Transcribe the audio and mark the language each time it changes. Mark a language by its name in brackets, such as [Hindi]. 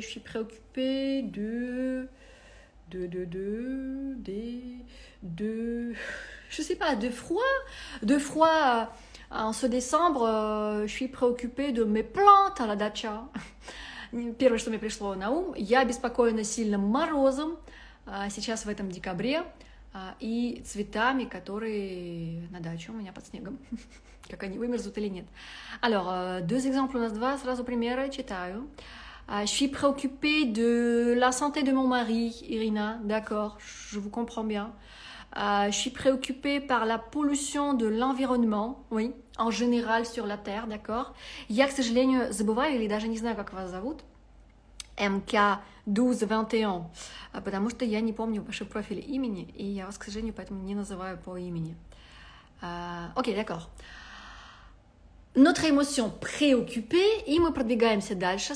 [French] Je suis préoccupée de je sais pas, de froid en ce décembre. Je suis préoccupée de mes plantes à la dacha. [Russian] Первое, что мне пришло на ум, я обеспокоена сильным морозом сейчас в этом декабре и цветами, которые на даче у меня под снегом. Как они вымерзут или нет. [French] Alors, deux exemples, [Russian] у нас два, сразу примеры, читаю. [French] Je suis préoccupée de la santé de mon mari, Irina, d'accord, je vous comprends bien. Je suis préoccupée par la pollution de l'environnement, oui, en général sur la Terre, d'accord. [Russian] Я, к сожалению, забываю, или даже не знаю, как вас зовут, MK1221, потому что я не помню ваше профиль имени, и я вас, к сожалению, поэтому не называю по имени. Окей, d'accord. [French] Notre émotion préoccupée, [Russian] и мы продвигаемся дальше.